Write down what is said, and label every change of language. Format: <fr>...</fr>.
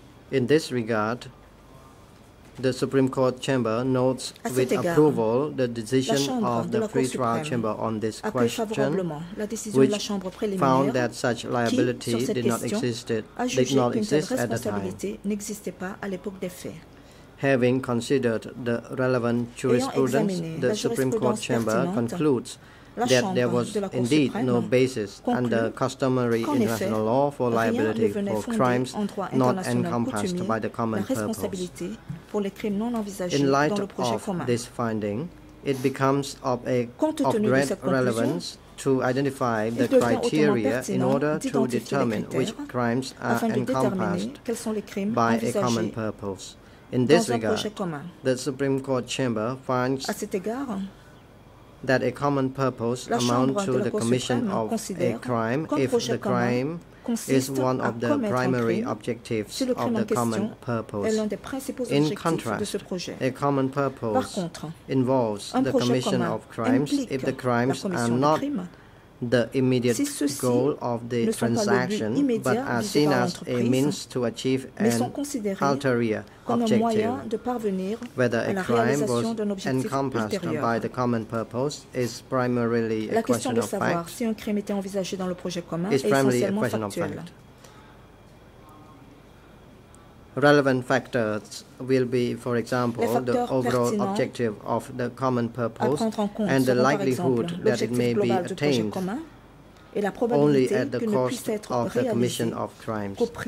<en>In this regard, the Supreme Court chamber notes with approval the decision of the pre-trial chamber on this question, which found that such liability did not exist at the time. Having considered the relevant jurisprudence, the Supreme Court chamber concludes that there was indeed no basis under customary international law for liability for crimes not encompassed by the common purpose.</en> <fr>pour les crimes non envisagés dans le projet Format.</fr> <en>In light of this finding, it becomes of great relevance to identify the criteria in order to determine which crimes are encompassed by a common purpose. In this regard, the Supreme Court Chamber finds that a common purpose amounts to the commission of a crime if the crime is one of the primary objectives of the common purpose. In contrast, a common purpose involves the commission of crimes if the crimes are not the immediate goal of the transaction, but are seen as a means to achieve an ulterior objective. Whether a crime was encompassed by the common purpose is primarily a question of fact.</en> <fr>Si un crime était envisagé dans le projet commun est essentiellement</fr> <en>question of fact. Relevant factors will be, for example, the overall objective of the common purpose and the likelihood that it may be attained only at the cost of the commission of crimes.</en>